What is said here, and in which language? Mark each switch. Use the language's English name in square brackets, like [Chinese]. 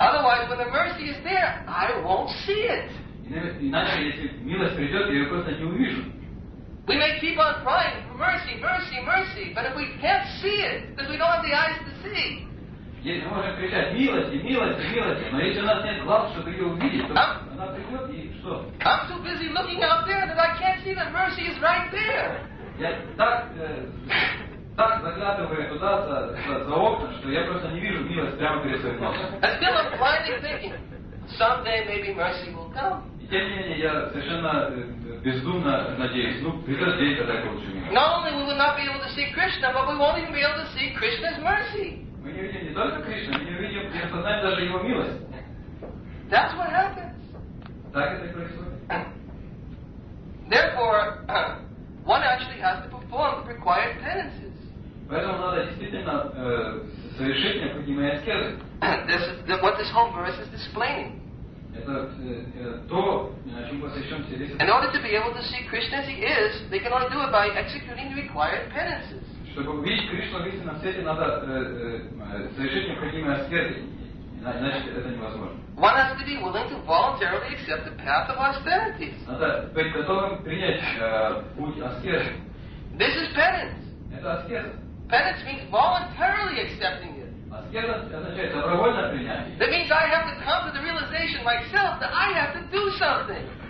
[English] Otherwise, when the mercy is there, I won't see it. [Russian] Иначе, если милость придет, я ее просто не увижу. [English] We may keep on crying, mercy, mercy, mercy, but if we can't see it, then we don't have the eyes to see. [Russian] Если мы можем кричать милости, милости, милости, но если у нас нет глаз, чтобы ее увидеть, то она придет и что? [English] I'm too busy looking out there that I can't see that mercy is right there. [Russian] Я так заглядываю туда за окна, что я просто не вижу милость прямо перед своим носом. [English] I still am blindly thinking, someday maybe mercy will come. [Russian] И тем не менее я совершенно бездумно надеюсь, ну придет день, когда я получу милость. [English] Not only will we not be able to see Krishna, but we won't even be able to see Krishna's mercy. [Russian] Мы не видим не только Кришну, мы не видим, не осознаем даже Его милость. [English] That's what happens. [Russian] Так это происходит. [English] Therefore, one actually has to perform the required penances. [Russian] Поэтому надо действительно совершить необходимые аскезы. [English] What this whole verse is explaining. [Russian] Это то, о чем посвящен сердце. [English] In order to be able to see Krishna as He is, they can only do it by executing the required penances. [Russian] Чтобы увидеть Кришну в истинном свете, надо совершить необходимые аскезы, иначе это невозможно. [English] One has to be willing to voluntarily accept the path of austerities. [Russian] Надо быть готовым принять путь аскезы. [English] This is penance. [Russian] Это аскеза. [English] Penance means voluntarily accepting it. [Russian] Аскеза означает добровольное принятие. [English] That means I have to come to the realization myself that I have to do something.